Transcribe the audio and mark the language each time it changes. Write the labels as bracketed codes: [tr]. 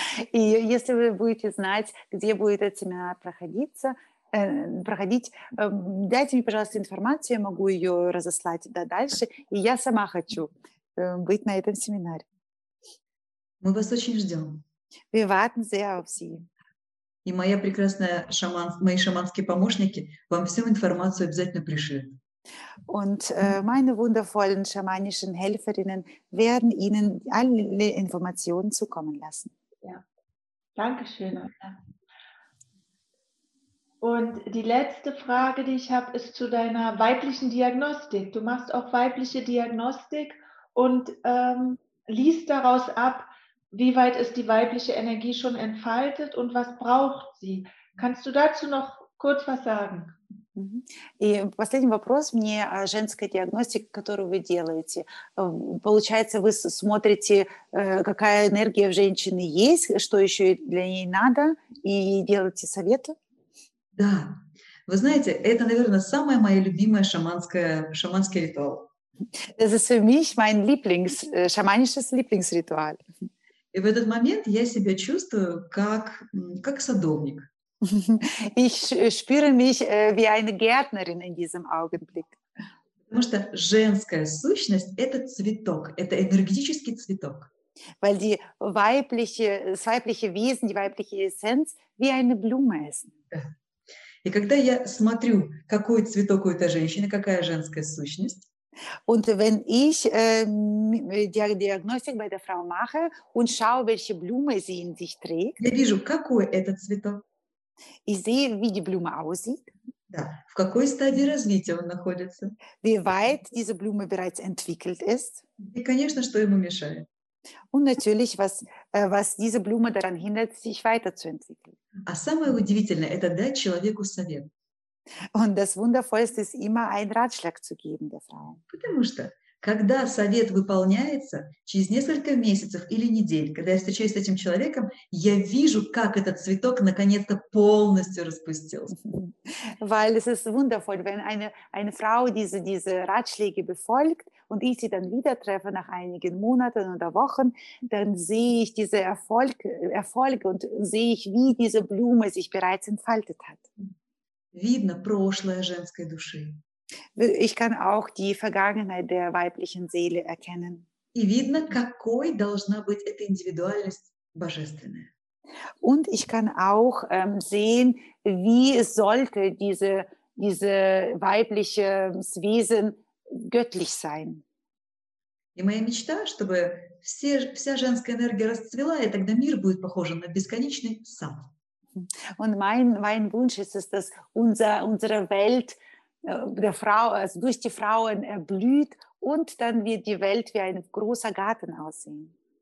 [ru] И если вы будете знать, где будет этот семинар проходить, дайте мне, пожалуйста, информацию, я могу ее разослать дальше. И я сама хочу быть на этом семинаре. Мы вас очень ждем. [de] Wir warten sehr auf Sie. [ru] И моя прекрасная шаман, мои шаманские помощники вам всю информацию обязательно пришлют. [de] Und meine wundervollen schamanischen Helferinnen werden Ihnen alle Informationen zukommen lassen. Ja, danke schön. Und die letzte Frage, die ich habe, ist zu deiner weiblichen Diagnostik. Du machst auch weibliche Diagnostik und liest daraus ab, wie weit ist die weibliche Energie schon entfaltet und was braucht sie. Kannst du dazu noch kurz was sagen? [ru] И последний вопрос мне о женской диагностике, которую вы делаете. Получается, вы смотрите, какая энергия в женщины есть, что еще для ней надо, и делаете советы? Да. Вы знаете, это, наверное, самая моя любимая шаманский ритуал. [de] Das ist für mich mein шаманisches Lieblingsritual. [ru] И в этот момент я себя чувствую как садовник. [de] Ich spüre mich wie eine Gärtnerin in diesem Augenblick. [ru] Потому что женская сущность — это цветок, это энергетический цветок. [de] Weil die weibliche, das weibliche Wesen, die weibliche Essenz wie eine Blume ist. [ru] И когда я смотрю, какой цветок у этой женщины, какая женская сущность, [de] und wenn ich die Diagnostik bei der Frau mache und schaue, welche Blume sie in sich trägt, [ru] я вижу, какой этот цветок. [de] Ich sehe, wie die Blume aussieht. [ru] Да. В какой стадии развития он находится? [de] Wie weit diese Blume bereits entwickelt ist? [ru] И, конечно, что ему мешает? [de] Und natürlich, was diese Blume daran hindert, sich weiterzuentwickeln. [ru] А самое удивительное – это дать человеку совет. [de] Und das Wundervollste ist immer, einen Ratschlag zu geben der Frau. [ru] Потому что, когда совет выполняется, через несколько месяцев или недель, когда я встречаюсь с этим человеком, я вижу, как этот цветок наконец-то полностью распустился. [de] Weil es ist wundervoll, wenn eine Frau diese Ratschläge befolgt und ich sie dann wieder treffe nach einigen Monaten oder Wochen, dann sehe ich diese Erfolge und sehe ich, wie diese Blume sich bereits entfaltet hat. [ru] Видно прошлое женской души. [de] Ich kann auch die Vergangenheit der weiblichen Seele erkennen. [ru] И видно, какой должна быть эта индивидуальность божественная. [de] Und ich kann auch sehen, wie sollte diese weibliche Wesen göttlich sein. [ru] И моя мечта, чтобы вся женская энергия расцвела, и тогда мир будет похож на бесконечный сад. [de] Und mein Wunsch ist, dass unsere Welt der Frau, also durch die Frauen erblüht und dann wird die Welt wie ein großer Garten aussehen.